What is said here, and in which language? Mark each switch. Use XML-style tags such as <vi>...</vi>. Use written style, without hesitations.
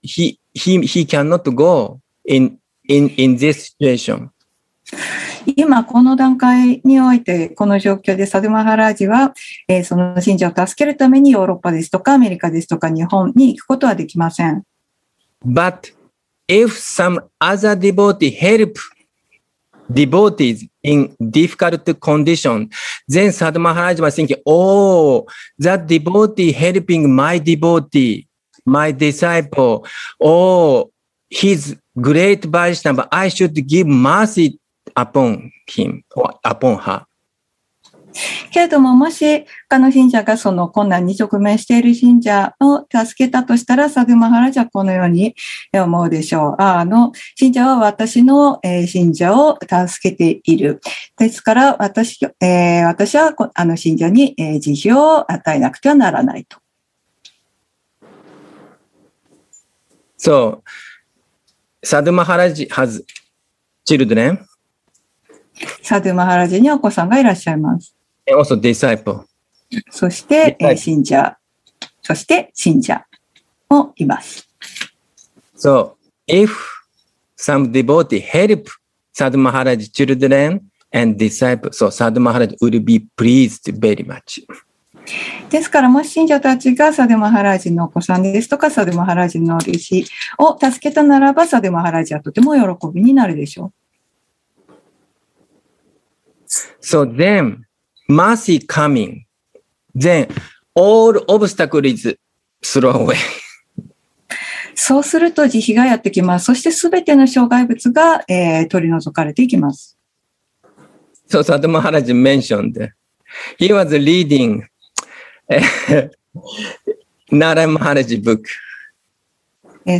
<en>He cannot go in this situation.</en> <ja>今この段階においてこの状況でサドマハラージは、その信者を助けるためにヨーロッパですとかアメリカですとか日本に行くことはできません。</ja> <en>But if some other devotee help devotees in difficult condition, then サドマハラージは thinking, oh, that devotee helping my devotee, my disciple, oh, he's great Vaishnava, I should give mercy. Upon him or upon her.</en> <ja>けれどももし他の信者がその困難に直面している信者を助けたとしたらサドゥマハラジはこのように思うでしょう。あの信者は私の信者を助けている。ですから 私はあの信者に慈悲を与えなくてはならないと。</ja> <en>So, サドゥマハラジ has children.</en> <ja>サドゥマハラジにお子さんがいらっしゃいます。</ja> <en>Also disciple.</en> <ja>そして、信者。そして、信者もいます。</ja> <en>So, if some devotee help サドゥマハラジ children and disciple, so サドゥマハラジ will be pleased very much.</en> <ja>ですからもし信者たちがサドゥマハラージのお子さんですとかサドゥマハラージの弟子を助けたならばサドゥマハラージはとても喜びになるでしょう。</ja> <en>So then mercy coming, then all obstacle is thrown away.</en> <ja>そうすると慈悲がやってきます。そしてすべての障害物が、取り除かれていきます。</ja> <en>So サドゥマハラージ mentioned, he was readingナラマハラジブック</en>